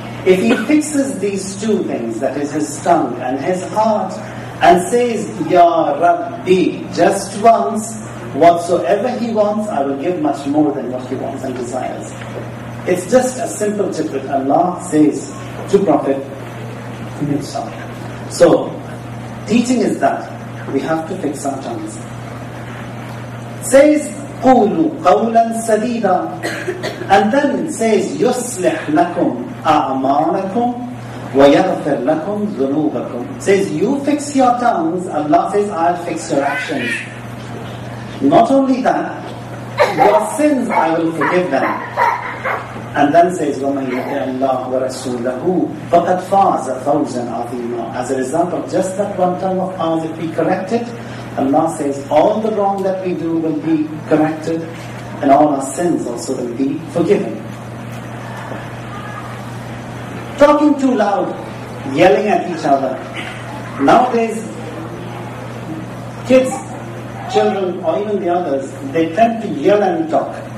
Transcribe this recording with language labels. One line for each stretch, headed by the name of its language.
English: If he fixes these two things, that is his tongue and his heart, and says, Ya Rabbi, just once, whatsoever he wants, I will give much more than what he wants and desires. It's just a simple tip that Allah says to Prophet Musa. So, teaching is that we have to fix our tongues.
Arabic: Says, قُولُ قَوْلًا سَدِيدًا,
English: and then it says,
Arabic: يُصْلِحْ لَكُمْ أَعْمَالَكُمْ وَيَغْفِرْ لَكُمْ ذُنُوبَكُمْ.
English: Says, you fix your tongues, Allah says, I'll fix your actions. Not only that, your sins I will forgive them. And then says,
Arabic: وَمَنْ يَتَى اللَّهُ وَرَسُولَهُ فَقَدْ فَازَ فَوْزًا عَظِيمًا.
English: As a result of just that one tongue of ours, if we correct it, Allah says, all the wrong that we do will be corrected, and all our sins also will be forgiven. Talking too loud, yelling at each other. Nowadays, kids, children, or even the others, they tend to yell and talk.